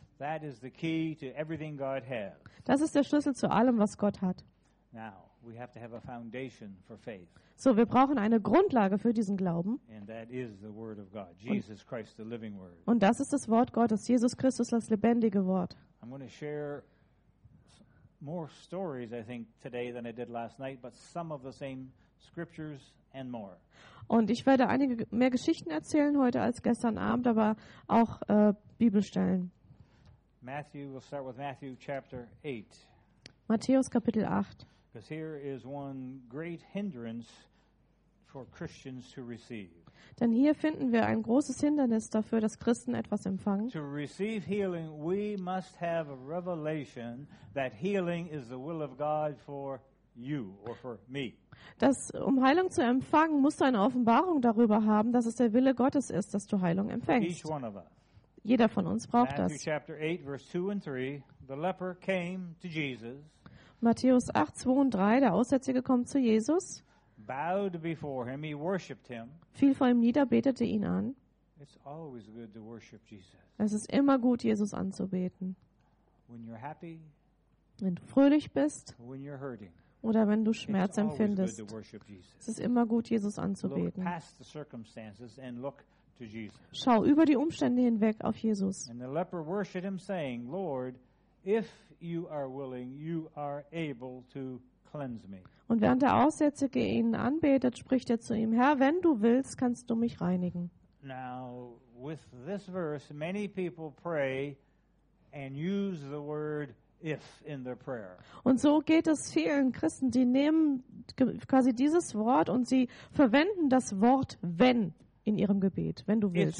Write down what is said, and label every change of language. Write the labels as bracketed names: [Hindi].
[English] That is the key to everything God has. [German] Das ist der Schlüssel zu allem, was Gott hat. [English] Now, we have to have a foundation for faith. [German] So, wir brauchen eine Grundlage für diesen Glauben. [English] And that is the word of God, Jesus Christ, the living word. [German] Und das ist das Wort Gottes, Jesus Christus, das lebendige Wort. [English] I'm going to share more stories, I think, today than I did last night, but some of the same scriptures and more. [German] Und ich werde einige mehr Geschichten erzählen heute als gestern Abend, aber auch Bibelstellen. [English] Matthew, we'll start with Matthew chapter 8. [German] Matthäus Kapitel 8. [English] Because here is one great hindrance for Christians to receive. [German] Denn hier finden wir ein großes Hindernis dafür, dass Christen etwas empfangen. [English] To receive healing, we must have a revelation that healing is the will of God for you or for me. [German] Das, um Heilung zu empfangen, musst du eine Offenbarung darüber haben, dass es der Wille Gottes ist, dass du Heilung empfängst. [English] Each one of us. [German] Jeder von uns braucht [English] Matthew [German] das. [English] Chapter 8, verse 2 and 3, the leper came to Jesus. [German] Matthäus 8, 2 und 3, der Aussätzige kommt zu Jesus. [English] Bowed before him, he worshipped him. [German] Fiel vor ihm nieder, betete ihn an. [English] It's always good to worship Jesus. [German] Es ist immer gut, Jesus anzubeten. [English] When you're happy, [German] wenn du fröhlich bist, [English] when you're hurting, [German] oder wenn du Schmerz empfindest, [English] always good to worship Jesus. [German] Es ist immer gut, Jesus anzubeten. [English] Look past the circumstances and look to Jesus. [German] Schau über die Umstände hinweg auf Jesus. [English] And the leper worshipped him, saying, Lord, if you are willing, you are able to cleanse me. [German] Und während der Aussätzige ihn anbetet, spricht er zu ihm: Herr, wenn du willst, kannst du mich reinigen. [English] Now, with this verse, many people pray and use the word if in their prayer. [German] Und so geht es vielen Christen, die nehmen quasi dieses Wort und sie verwenden das Wort wenn in ihrem Gebet, wenn du willst.